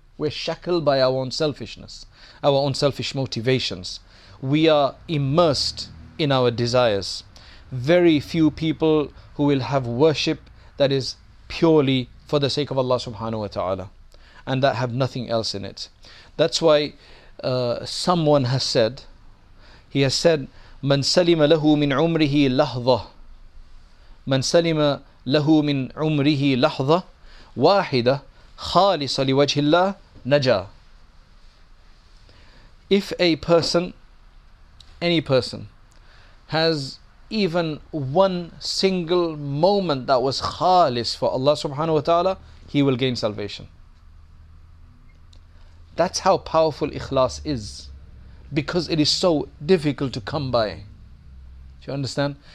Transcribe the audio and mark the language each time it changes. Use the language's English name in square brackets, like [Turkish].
[English] We're shackled by our own selfishness, our own selfish motivations. We are immersed in our desires. Very few people who will have worship that is purely for the sake of Allah subhanahu wa ta'ala, and that have nothing else in it. That's why someone has said, [Arabic] من سلم له من عمره لحظة من سلم له من عمره لحظة واحدة خالصة لوجه الله نجا. [English] If a person, any person, has even one single moment that was khalis for Allah subhanahu wa ta'ala, he will gain salvation. That's how powerful ikhlas is. Because it is so difficult to come by. Do you understand?